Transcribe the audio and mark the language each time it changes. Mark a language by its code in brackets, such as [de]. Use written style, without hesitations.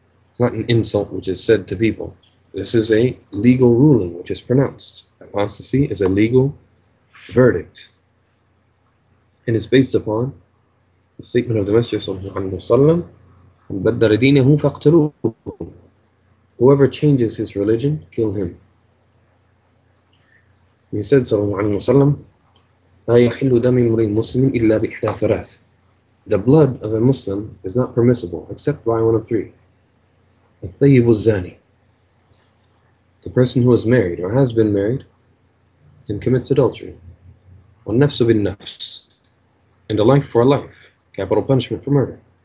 [en] It's not an insult which is said to people. This is a legal ruling which is pronounced. Apostasy is a legal verdict, and is based upon the statement of the Messenger of Allah, [ar] بَدَّرَ دِينَهُ فَاقْتَلُوهُ. [en] Whoever changes his religion, kill him. He said, [ar] صلى الله عليه وسلم, لا يحل دم امرئ مسلم إلا بإحدى ثلاث. [en] The blood of a Muslim is not permissible except by one of three. [ar] الثيب الزاني. [en] The person who is married or has been married and commits adultery. [ar] والنفس بالنفس. [en] And a life for a life, capital punishment for murder.